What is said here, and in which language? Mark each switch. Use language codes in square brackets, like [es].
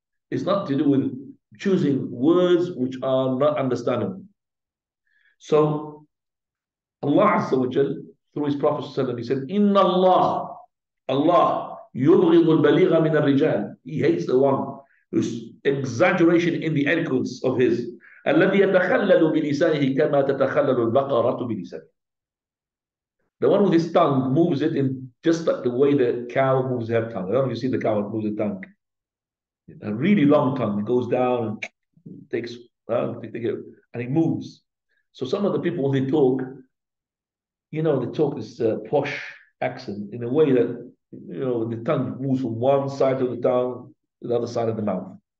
[en] It's not to do with choosing words which are not understandable. So, Allah Azza wa Jal, through his Prophet ﷺ, he said, [ar] Inna Allah, [en] Allah, [ar] يبغض البليغة من الرجال. [en] He hates the one whose exaggeration in the eloquence of his. [ar] الذي يتخلل بلسانه كما تتخلل البقرة بلسانه. [en] The one with his tongue moves it in just like the way the cow moves her tongue. I don't know if you see the cow moves the tongue. A really long tongue. It goes down and takes and it moves. So some of the people when they talk, you know, they talk this posh accent in a way that, you know, the tongue moves from one side of the tongue to the other side of the mouth.